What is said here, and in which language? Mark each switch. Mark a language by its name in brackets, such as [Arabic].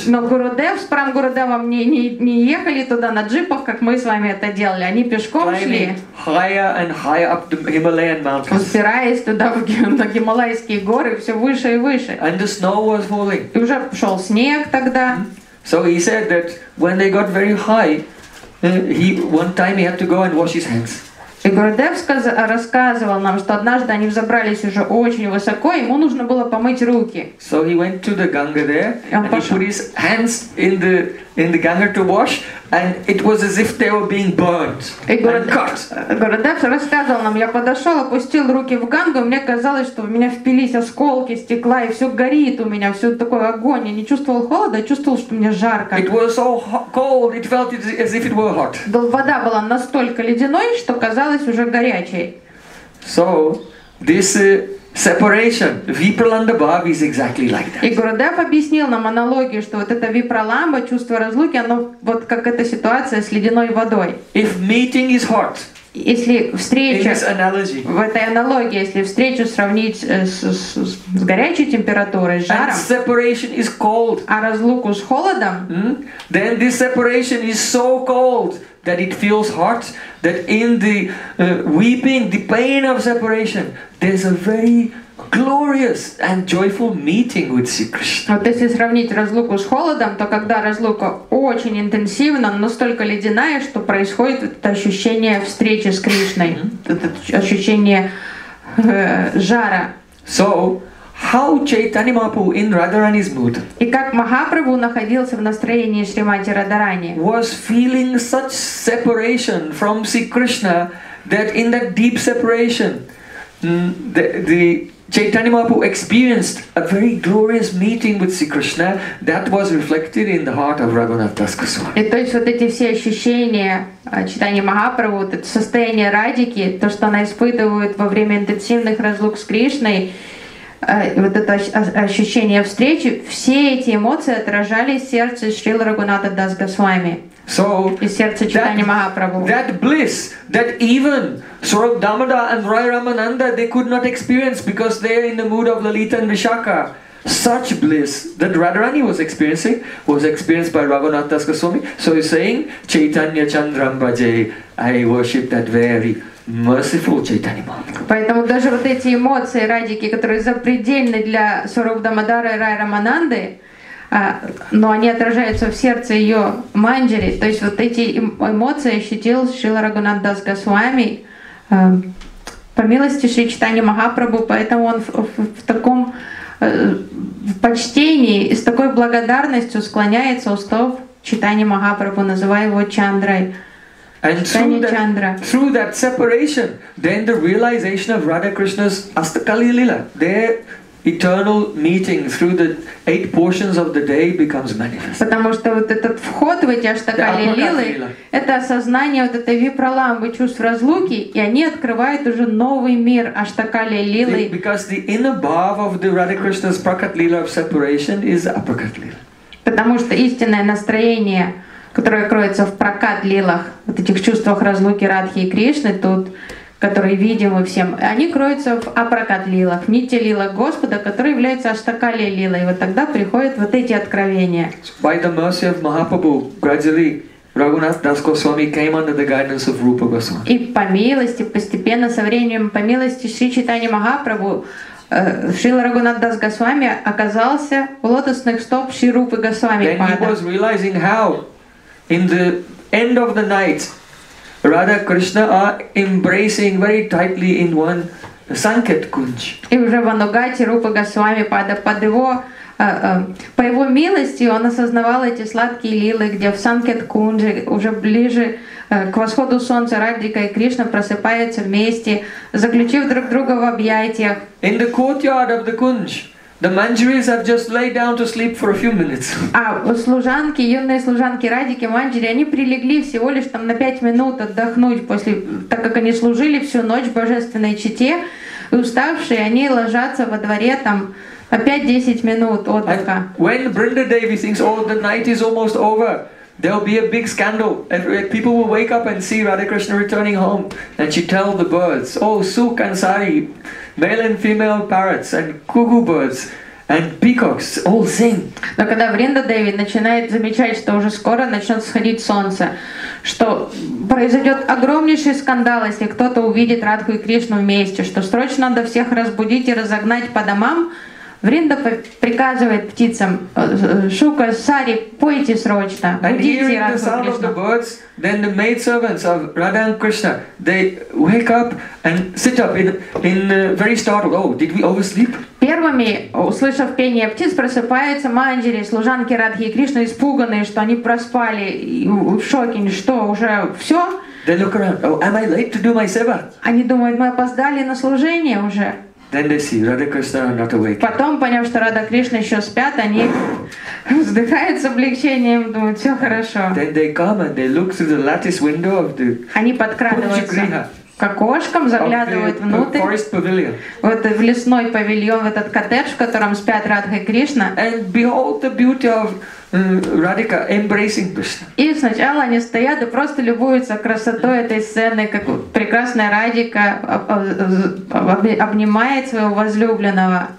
[Russian] Но Гурудев с Param Гурудевом не ехали туда на джипах, как мы с вами это делали. Они пешком [English] Climbing [Russian] шли. [English] Higher and higher up the Himalayan mountains. [Russian] Взбираясь туда на Гималайские горы, все выше и выше. [English] And the snow was falling. [Russian] И уже пошел снег тогда. [English] So he said that when they got very high, one time he had to go and wash his hands. [Russian] И Гурудев рассказывал нам, что однажды они взобрались уже очень высоко, ему нужно было помыть руки. [English] So he went to the Ganga there, and he put his hands in the Ganga to wash, and it was as if they were being burnt and cut. [Russian] Гурудев рассказывал нам, я подошел, опустил руки в Гангу, и мне казалось, что в меня впились осколки стекла, и все горит у меня, все такой огонь. Я не чувствовал холода, я чувствовал, что мне жарко. [English] It was so cold, it felt as if it were hot. [Russian] Вода была настолько ледяной, что казалось уже горячей. [English] So, this separation, Vipralamba bhav is exactly like that. [Russian] И Гурудев объяснил нам аналогию, что вот это випраламба, чувство разлуки, оно вот как эта ситуация с ледяной водой. [English] If meeting is hot. [Russian] Если встреча, [English] in this analogy, [Russian] в этой аналогии, если встречу сравнить с горячей температурой, с жаром, [English] and separation is cold, [Russian] а разлуку с холодом, [English] then this separation is so cold that it feels hot, that in the weeping, the pain of separation, there's a very glorious and joyful meeting with Sri Krishna. [Russian] Вот если сравнить разлуку с холодом, то когда разлука очень интенсивна, настолько ледяная, что происходит это ощущение встречи с Кришной, это ощущение жара. [English] So, How Chaitanya Mahaprabhu in Radharani's mood? [Russian] И как Махапрабху находился в настроении Шримати Радарани? [English] Was feeling such separation from Sri Krishna that in that deep separation, the Chaitanya Mahaprabhu experienced a very glorious meeting with Sri Krishna that was reflected in the heart of Raghunath Das Goswami. [Russian] И то есть вот эти все ощущения Чайтанья Махапрабху, вот это состояние Радики, то, что она испытывает во время интенсивных разлук с Кришной, вот это ощущение встречи, все эти эмоции отражались в сердце Шрилы Рагхунатха Дас Госвами. [English] So, [Russian] из сердца Чайтанья Махапрабху. [English] That bliss that even Saurabh Damodar and Rai Ramananda they could not experience because they are in the mood of Lalita and Vishakha. Such bliss that Radharani was experienced by Raghunath Das Goswami. So he's saying, [Sanskrit] Chaitanya Chandram Bhaje, [English] I worship that very merciful Chaitanya Mahaprabhu. [Russian] Поэтому даже вот эти эмоции Радики, которые запредельны для Саурабха Дамодара и Рай Рамананды, но они отражаются в сердце ее Манджари, то есть вот эти эмоции ощутил Шрила Рагхунатх Дас Госвами по милости Шри Чайтанья Махапрабху, поэтому он в таком в почтении и с такой благодарностью склоняется у стоп Чайтанья Махапрабху, называя его Чандрой. [English] And through that separation, then the realization of Radha Krishna's Astakali Lila, their eternal meeting through the eight portions of the day becomes manifest. [Russian] Потому что вот этот вход в эти Астакали Лилы, это осознание вот этой випраламбы, чувств разлуки, и они открывают уже новый мир Астакали Лилы. [English] Because the inner bhava of the Radha Krishna's Prakat Lila of separation is Aprakat Lila. [Russian] Потому что истинное настроение, которая кроется в прокат лилах, вот этих чувствах разлуки Радхи и Кришны, тут, которые видимы всем, они кроются в апракат лилах, нити лилах Господа, которые являются аштакали лилой. Вот тогда приходят вот эти откровения. [English] By the mercy of Mahaprabhu, gradually, Raghunath Das Goswami came under the guidance of Rupa Goswami. [Russian] И по милости, постепенно, со временем, по милости Шри Чайтанья Махапрабху, Шрила Рагхунатх Дас Госвами оказался в лотосных стоп Шри Рупы Госвами. [English] Then he was realizing how in the end of the night, Radha Krishna are embracing very tightly in one Sanket Kunj. [Russian] И уже в Анугате Рупа Госвами пада под его по его милости он осознавал эти сладкие лилы, где в Sanket Kunj уже ближе к восходу солнца Радика и Кришна просыпаются вместе, заключив друг друга в объятиях. [English] In the courtyard of the Kunj. The manjaris have just laid down to sleep for a few minutes. [Russian] А служанки, юные служанки Радики, манджари, они прилегли всего лишь там на 5 минут отдохнуть после, так как они служили всю ночь в божественной чите, и уставшие, они ложатся во дворе там опять 10 минут отдыха. [English] And when Brindadevi thinks, oh, the night is almost over, there will be a big scandal, and people will wake up and see Radha Krishna returning home, and she tells the birds, oh, Sukh and Sari, male and female parrots and cuckoo birds and peacocks all sing. [Russian] Но когда Вриндадеви начинает замечать, что уже скоро начнет сходить солнце, что произойдет огромнейший скандал, если кто-то увидит Радху и Кришну вместе, что срочно надо всех разбудить и разогнать по домам, Вринда приказывает птицам, Шука, Сари, пойте срочно, будите Радху и Кришну. [English] Then the maid servants of Radha and Krishna, they wake up and sit up in very startled. Oh, did we oversleep? [Russian] Первыми, услышав пение птиц, просыпаются манджари, служанки Радхи и Кришны, испуганные, что они проспали, в шоке, что уже все. [English] They look around. Oh, am I late to do my seva? [Russian] Они думают, мы опоздали на служение уже. [English] Then they see Radha Krishna not awake. [Russian] Потом, поняв, что Радха Кришна еще спят, они вздыхают с облегчением, думают, все хорошо. [English] Then they come and they look through the lattice window of the. [Russian] Они подкрадываются к окошкам, заглядывают внутрь. [English] Forest pavilion. [Russian] Вот в лесной павильон, в этот коттедж, в котором спят Радха и Кришна. [English] And behold the beauty of Radhika embracing Krishna. [Russian] И сначала они стоят и просто любуются красотой этой сцены, как прекрасная Радика обнимает своего возлюбленного.